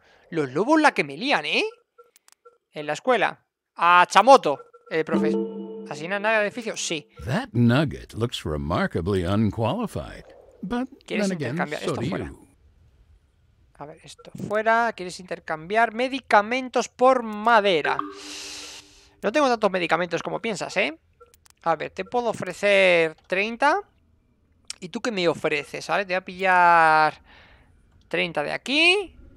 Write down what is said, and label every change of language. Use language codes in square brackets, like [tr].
[es] Los lobos la que me lían, ¿eh? En la escuela. A Chamoto, el profesor. ¿Así una nave de edificio? Sí. [en] That nugget looks remarkably unqualified. But [es] ¿quieres intercambiar esto fuera? A ver, esto fuera. ¿Quieres intercambiar medicamentos por madera? No tengo tantos medicamentos como piensas, ¿eh? A ver, te puedo ofrecer 30. ¿Y tú qué me ofreces? ¿Vale? Te voy a pillar 30 de aquí.